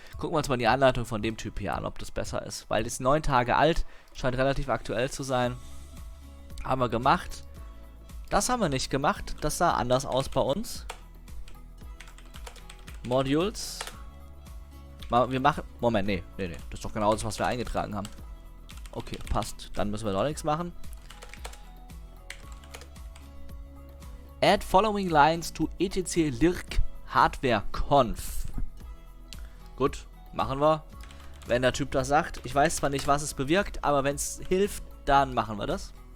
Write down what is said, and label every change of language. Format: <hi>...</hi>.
<de>Gucken wir uns mal die Anleitung von dem Typ hier an, ob das besser ist. Weil das ist 9 Tage alt, scheint relativ aktuell zu sein. Haben wir gemacht. Das haben wir nicht gemacht. Das sah anders aus bei uns. Modules. Moment, nee. Das ist doch genau das, was wir eingetragen haben. Okay, passt. Dann müssen wir doch nichts machen.</de> <en>Add following lines to etc lirk hardware conf.</en> <de>Gut, machen wir, wenn der Typ das sagt. Ich weiß zwar nicht, was es bewirkt, aber wenn es hilft, dann machen wir das.</de>